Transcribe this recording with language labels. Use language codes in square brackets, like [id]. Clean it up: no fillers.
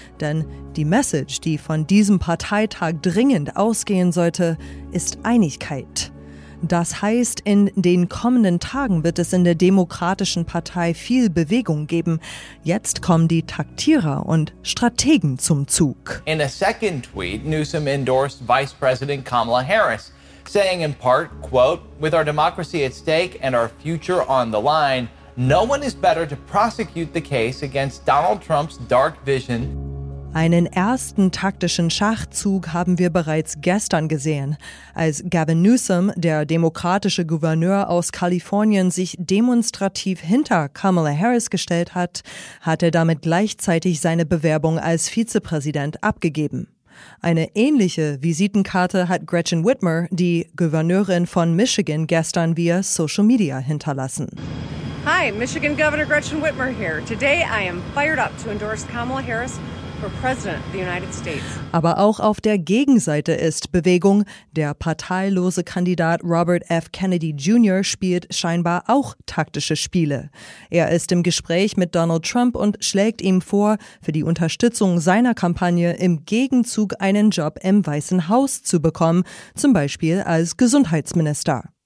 [de] Denn die Message, die von diesem Parteitag dringend ausgehen sollte, ist Einigkeit. Das heißt, in den kommenden Tagen wird es in der Demokratischen Partei viel Bewegung geben. Jetzt kommen die Taktierer und Strategen zum Zug. [en] In a second tweet, Newsom endorsed Vice President Kamala Harris, saying in part, quote, "With our democracy at stake and our future on the line, no one is better to prosecute the case against Donald Trump's dark vision." [de] Einen ersten taktischen Schachzug haben wir bereits gestern gesehen, als Gavin Newsom, der demokratische Gouverneur aus Kalifornien, sich demonstrativ hinter Kamala Harris gestellt hat, hat er damit gleichzeitig seine Bewerbung als Vizepräsident abgegeben. Eine ähnliche Visitenkarte hat Gretchen Whitmer, die Gouverneurin von Michigan, gestern via Social Media hinterlassen. [en] Hi, Michigan Governor Gretchen Whitmer here. Today I am fired up to endorse Kamala Harris for President of the United States. [de] Aber auch auf der Gegenseite ist Bewegung. Der parteilose Kandidat Robert F. Kennedy Jr. spielt scheinbar auch taktische Spiele. Er ist im Gespräch mit Donald Trump und schlägt ihm vor, für die Unterstützung seiner Kampagne im Gegenzug einen Job im Weißen Haus zu bekommen, zum Beispiel als Gesundheitsminister.